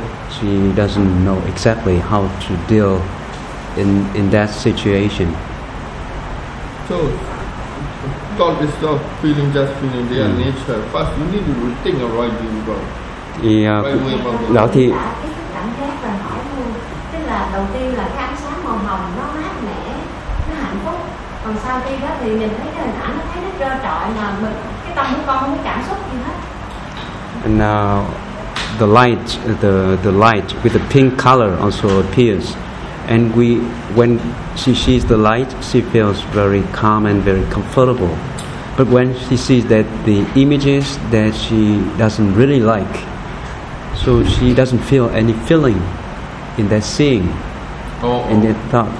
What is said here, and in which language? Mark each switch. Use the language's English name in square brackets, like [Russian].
[English] She doesn't know exactly how to deal in that situation. So, all this stuff, feeling, just feeling, their nature. First, you need to rethink a right view about it. Yeah. [Vietnamese] Cái cảm giác là hỏi luôn. Tức là đầu tiên là cái ánh sáng màu hồng nó mát mẻ, nó hạnh phúc. Còn sau khi đó thì mình thấy cái hình ảnh nó thấy nó trơ trọi, mà cái tâm của con không có cảm xúc gì hết. [English] And now, the light with the pink color also appears, and when she sees the light, she feels very calm and very comfortable. But when she sees that the images that she doesn't really like, so she doesn't feel any feeling in that seeing, in that thought.